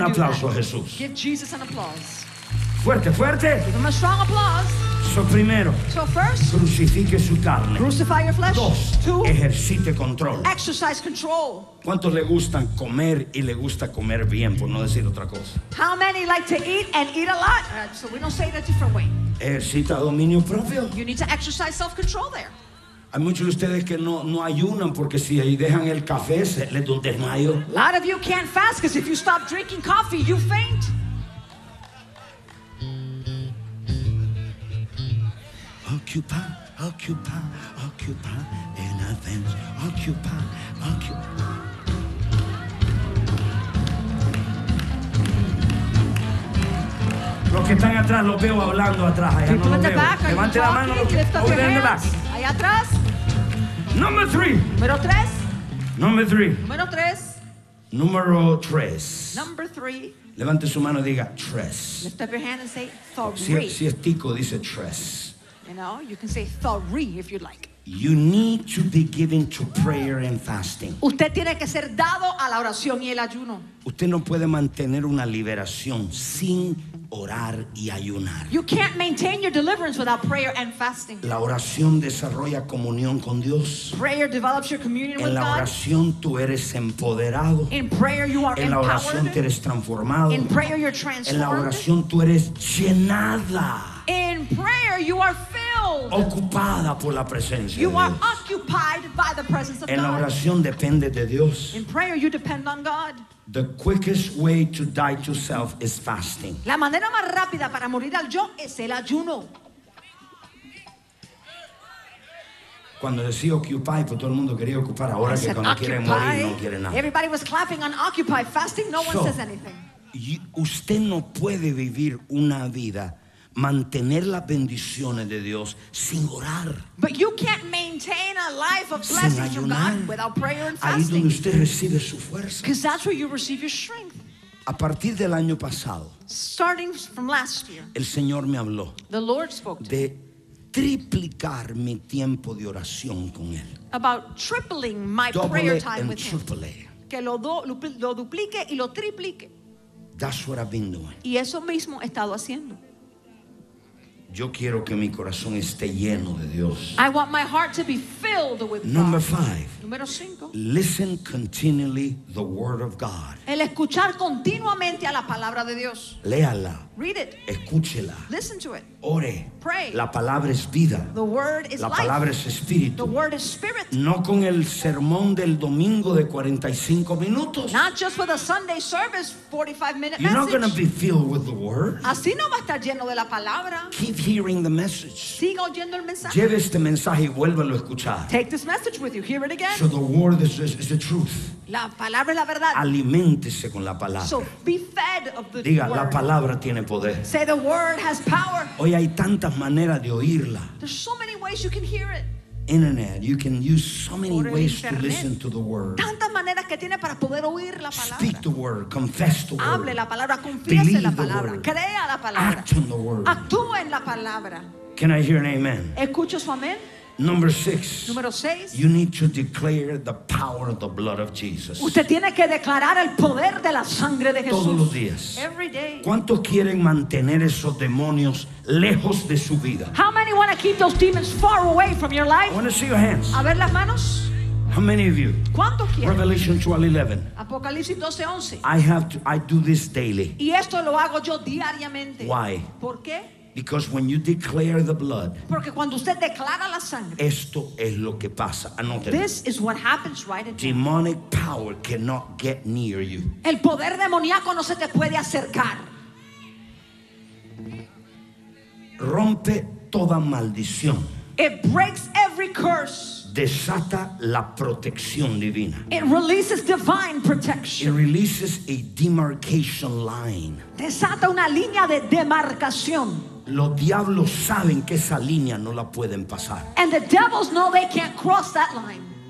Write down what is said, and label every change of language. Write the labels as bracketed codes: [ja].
[es] un aplauso a Jesús. [en] Give Jesus an applause. [es] Fuerte, fuerte. [en] Give him a strong applause. [es] So primero, [en] so first, [es] crucifique su carne. [en] Crucify your flesh. [es] Dos, [en] two, [es] ejercite control. [en] Exercise control. [es] ¿Cuántos le gustan comer y le gusta comer bien, por no decir otra cosa? [en] How many like to eat and eat a lot? So we don't say it a different way. [es] Ejercita dominio propio. [en] You need to exercise self-control there. [es] Hay muchos de ustedes que no ayunan porque si dejan el café se les da un desmayo. [en] A lot of you can't fast because if you stop drinking coffee, you faint. Occupy, occupy, occupy in advance. Occupy, occupy. [es] Los que están atrás los veo hablando atrás. Allá no los veo. Levante la mano. Allá atrás. [en] Number three. [es] Número tres. [en] Number three. [es] Número tres. Número tres. [en] Number three. [es] Levante su mano y diga tres. [en] Lift up your hand and say three. [es] Si es tico, dice tres. [en] You can say three if you'd like. You need to be given to prayer and fasting. [es] Usted tiene que ser dado a la oración y el ayuno. Usted no puede mantener una liberación sin orar y ayunar. [en] You can't maintain your deliverance without prayer and fasting. [es] La oración desarrolla comunión con Dios. [en] Prayer develops your communion with God. [es] En la oración tú eres empoderado. [en] In prayer you are empowered. [es] En la oración tú eres transformado. [en] In prayer you're transformed. [es] En la oración tú eres llenada. [en] In prayer you are filled. [es] Ocupada por la presencia [en] you [es] de Dios. [en] Are occupied by the presence of [es] en [en] God. [es] La oración depende de Dios. [en] In prayer you depend on God. The quickest way to die to self is fasting. [es] La manera más rápida para morir al yo es el ayuno. Cuando decía occupy, pues todo el mundo quería ocupar. Ahora [en] I [es] que cuando [en] occupy, [es] quieren morir no quieren nada. [en] Everybody was clapping on occupy fasting. No one so, says anything. [es] Usted no puede vivir una vida mantener las bendiciones de Dios sin orar. [en] But you can't maintain a life of blessings from God without prayer and fasting. [es] Ahí donde usted recibe su fuerza. [en] Because that's where you receive your strength. [es] A partir del año pasado. [en] Starting from last year. [es] El Señor me habló. [en] The Lord spoke [es] de triplicar mi tiempo de oración con él. [en] About tripling my prayer time with triple. [es] Him. Que lo duplique y lo triplique. [en] That's what I've been doing. [es] Y eso mismo he estado haciendo. Yo quiero que mi corazón esté lleno de Dios. [en] I want my heart to be filled with God. Number five. [es] Número cinco. [en] Listen continually the word of God. [es] El escuchar continuamente a la palabra de Dios. Léala. [en] Read it. [es] Escúchela. [en] Listen to it. [es] Ore. [en] Pray. [es] La palabra es vida. [en] The word is [es] la palabra [en] life. [es] Es espíritu. [en] The word is spirit. [es] No con el sermón del domingo de 45 minutos. [en] Not just with a Sunday service 45 minute You're message. You're not going to be filled with the word. [es] Así no va a estar lleno de la palabra. [en] Keep hearing the message. [es] Siga oyendo el mensaje. Lleve este mensaje y vuélvelo a escuchar. [en] Take this message with you. Hear it again. So the word is the truth. [es] La palabra es la verdad. Aliméntese con la palabra. [en] So be fed of the [es] Diga, [en] word. [es] La palabra tiene poder. [en] Say the word has power. [es] Hoy hay tantas maneras de oírla. [en] There's so many ways you can hear it. Internet, you can use so many ways to listen to the word. [es] Tantas maneras que tiene para poder oír la palabra. [en] Speak the word, confess the word. [es] Hable la palabra, confiese [en] Believe [es] la palabra. Crea la palabra. [en] Act on the word. [es] Actúa en la palabra. [en] Can I hear an amen? [es] ¿Escucho su amén? [en] Number six. [es] Número seis. [en] You need to declare the power of the blood of Jesus. [es] Usted tiene que declarar el poder de la sangre de Jesús. Todos los días. [en] Every day. [es] ¿Cuántos quieren mantener esos demonios lejos de su vida? [en] How many want to keep those demons far away from your life? I want to see your hands. [es] A ver las manos. [en] How many of you? [es] ¿Cuántos quieren? [en] Revelation 12:11. [es] Apocalipsis 12:11. [en] I do this daily. [es] Y esto lo hago yo diariamente. [en] Why? [es] ¿Por qué? [en] Because when you declare the blood, [es] porque cuando usted declara la sangre, esto es lo que pasa. Anótelo. [en] This is what happens right in Demonic time. Power cannot get near you. [es] El poder demoníaco no se te puede acercar. Rompe toda maldición. [en] It breaks every curse. [es] Desata la protección divina. [en] It releases divine protection. It releases a demarcation line. [es] Desata una línea de demarcación. Los diablos saben que esa línea no la pueden pasar. [en] And the devils know they can't cross that line.